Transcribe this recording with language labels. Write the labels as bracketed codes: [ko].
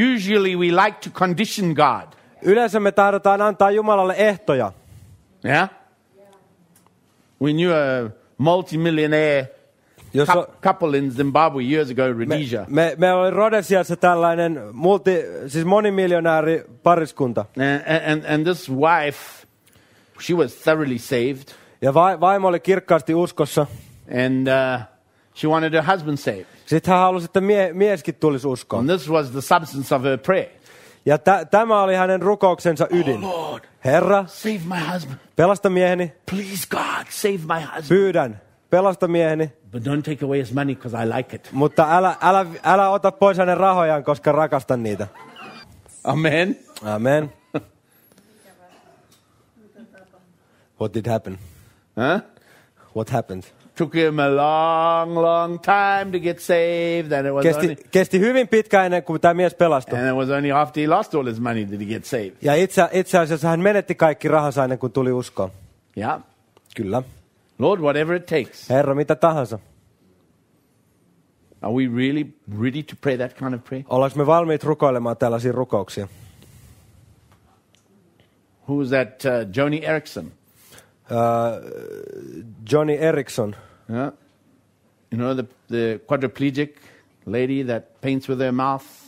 [en] Usually we like to condition God. [fi] Yleensä me tahdotaan antaa Jumalalle ehtoja. [en] Yeah? When you're a multimillionaire couple in Zimbabwe years ago, Rhodesia. [fi] Me oli Rhodesiassa tällainen monimiljonääri pariskunta. [en] And this wife, she was thoroughly saved. [fi] Ja vaimo oli kirkkaasti uskossa. [en] And she wanted her husband saved. [fi] Sitten hän halusi, että mieskin tulisi uskoon. [en] And this was the substance of her prayer. [fi] Ja tämä oli hänen rukouksensa ydin. [en] Oh Lord, [fi] Herra, [en] save my husband. [fi] Pelasta mieheni. [en] Please God, save my husband. [fi] Pyydän, pelasta mieheni. [en] But don't take away his money because I like it. [fi] Mutta älä ota pois hänen rahojaan, koska rakastan niitä. [en] Amen. [fi] Amen. [en] What did happen? Huh? What happened? Took him a long, long time to get saved, and it was [fi] kesti hyvin pitkä ennen kuin tämä mies pelastui. [en] And it was only after he lost all his money that he get saved. [fi] Ja itse asiassa hän menetti kaikki rahansa ennen kuin tuli uskoon. [en] Yeah. [fi] Kyllä. [en] Lord, whatever it takes. [fi] Herra, mitä tahansa. [en] Are we really ready to pray that kind of prayer? [fi] Ollaanko me valmiit rukoilemaan tällaisia rukouksia? [en] Who's that, Joni Erickson? [fi] Joni Erickson. [en] Yeah. You know the quadriplegic lady that paints with her mouth?